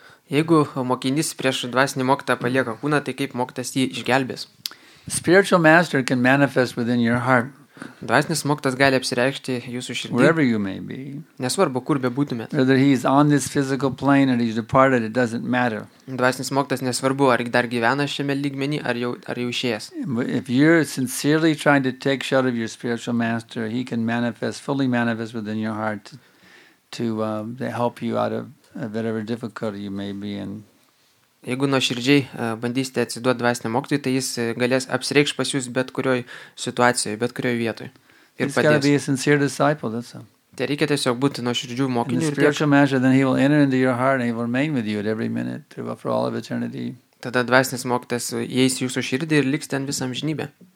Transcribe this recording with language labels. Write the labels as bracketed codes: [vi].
[lt] Jeigu mokinys prieš dvasinį mokytą palieka kūną, tai kaip mokytas jį išgelbės? [en] Spiritual master can manifest within your heart. [lt] Dvasinis mokytas gali apsireikšti jūsų širdį. [en] Wherever you may be. [lt] Nesvarbu, kur bebūtumėt. [en] Whether he is on this physical plane and he's departed, it doesn't matter. [lt] Dvasinis mokytas nesvarbu, ar dar gyvena šiame lygmenį, ar jau išėjęs. [en] If you're sincerely trying to take shelter of your spiritual master, he can fully manifest within your heart to help you out of whatever difficulty you may be in. [lt] Jeigu nuoširdžiai bandysite atsiduoti dvasiniam mokytojui, tai jis galės apsireikš pas jūs bet kurioj situacijoje, bet kurioj vietoj. Ir padės. Tai reikia tiesiog būti nuoširdžių mokiniu. [en] In the spiritual measure, then he will enter into your heart and he will remain with you at every minute throughout for all of eternity. [lt] Tada dvasinis mokytas įeis jūsų širdį ir liks ten visą amžinybę.